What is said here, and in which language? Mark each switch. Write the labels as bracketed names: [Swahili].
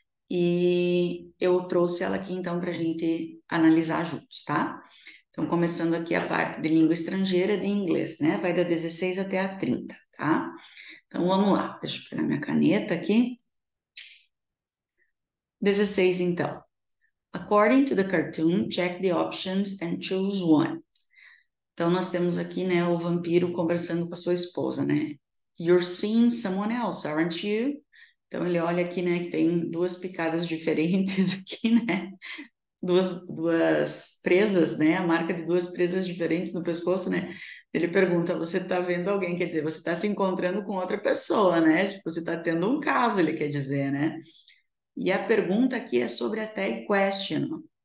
[Portuguese] E eu trouxe ela aqui então para a gente analisar juntos, tá? Então, começando aqui a parte de língua estrangeira de inglês, né? Vai da 16 até a 30, tá? Então vamos lá, deixa eu pegar minha caneta aqui. 16, então. [English] According to the cartoon, check the options and choose one. [Portuguese] Então nós temos aqui, né, o vampiro conversando com a sua esposa, né? [English] You're seeing someone else, aren't you? [Portuguese] Então ele olha aqui, né, que tem duas picadas diferentes aqui, né? Duas presas, né? A marca de duas presas diferentes no pescoço, né? Ele pergunta: você está vendo alguém? Quer dizer, você está se encontrando com outra pessoa, né? Tipo, você está tendo um caso, ele quer dizer, né? E a pergunta aqui é sobre a tag question.